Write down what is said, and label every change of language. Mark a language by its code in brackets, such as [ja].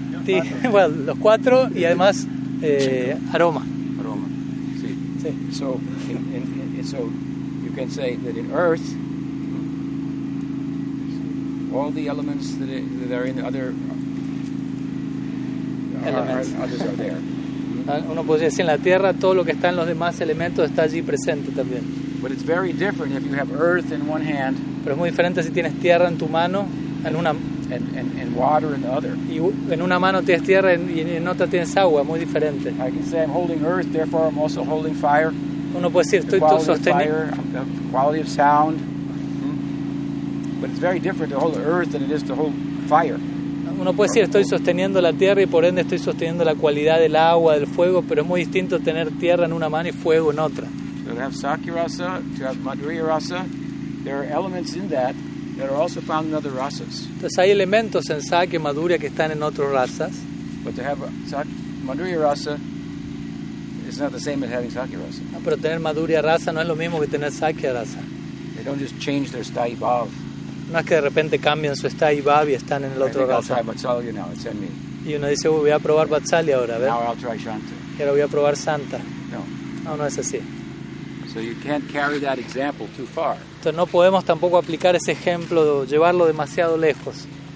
[es] Sí, well, los cuatro y además aroma. Aroma. Sí. Sí. [en] So, so you can say that in earth all the elements that are in the other elements are there. [es] Uno podría decir en la tierra todo lo que está en los demás elementos está allí presente también. [en] But it's very different if you have earth in one hand. [es] Pero es muy diferente si tienes tierra en tu mano en una [en] And water in the other. [es] Y en una mano tienes tierra y en otra tienes agua, muy diferente. [en] I can say I'm holding earth, therefore I'm also holding fire. [es] Uno puede decir, estoy [en] the [es] sosteniendo [en] fire, the quality of sound. But it's very different to hold earth than it is to hold fire. [es] Uno puede decir, estoy sosteniendo la tierra y por ende estoy sosteniendo la cualidad del agua, del fuego, pero es muy distinto tener tierra en una mano y fuego en otra. [en] So to have Sakirasa, to have Madhurirasa, there are elements in that. There are also found in other rasas. [es] Entonces hay elementos en Sakya Madhurya que están en otras razas. [en] But to have Madhurya rasa is not the same as having Sakya rasa. [es] No, pero tener Madhurya rasa no es lo mismo que tener Sakya rasa. [en] They don't just change their sthayi bhav. [es] No es que de repente cambian su sthayi bhav y están en el otro rasa. [en] I'll try Vatsalya now. It's in me. [es] Y uno dice, voy a probar Vatsalya ahora, ¿ver? [en] Now I'll try Shanta. [es] Y ahora voy a probar Santa. [en] No. [es] No, no es así. [en] So you can't carry that example too far. [es] Entonces no podemos tampoco aplicar ese ejemplo, llevarlo demasiado lejos.